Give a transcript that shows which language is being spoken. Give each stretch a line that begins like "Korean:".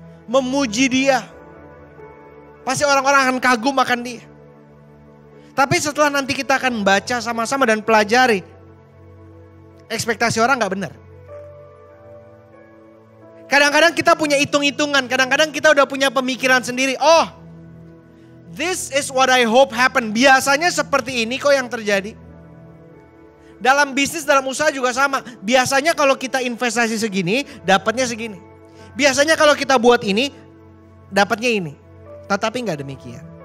Indonesian: Memuji dia. Pasti orang-orang akan kagum akan dia. Tapi setelah nanti kita akan baca sama-sama dan pelajari, ekspektasi orang gak benar. Kadang-kadang kita punya hitung-hitungan, kadang-kadang kita udah punya pemikiran sendiri.
English: Oh, this is what I hope happen.
Indonesian: Biasanya seperti ini kok yang terjadi. Dalam bisnis, dalam usaha juga sama. Biasanya kalau kita investasi segini, dapatnya segini. Biasanya kalau kita buat ini, dapatnya ini. Tetapi gak demikian.